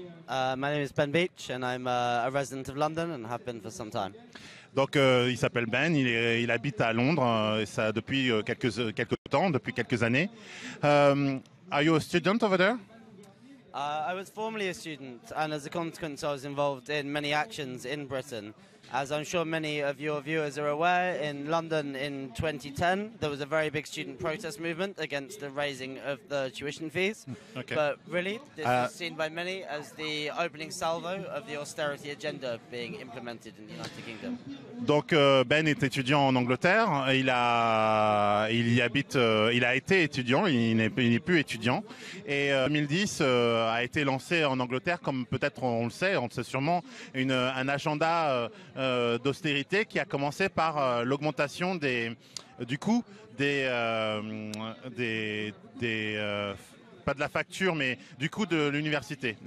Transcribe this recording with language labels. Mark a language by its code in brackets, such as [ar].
[en] My name is Ben Beach and I'm a resident of London and have been for some time. [fr] Donc il s'appelle Ben, il habite à Londres et ça depuis quelques années. [en] Are you a student over there? I was formerly a student and as a consequence I was involved in many actions in Britain. As I'm sure many of your viewers are aware, in London in 2010 there was a very big student protest movement against the raising of the tuition fees. Okay. But really, this was seen by many as the opening salvo of the austerity agenda being implemented in the United Kingdom. [fr] Donc Ben est étudiant en Angleterre, il a été étudiant, il n'est plus étudiant, et 2010 a été lancé en Angleterre, comme peut-être on le sait sûrement, un agenda d'austérité qui a commencé par l'augmentation du coût de l'université.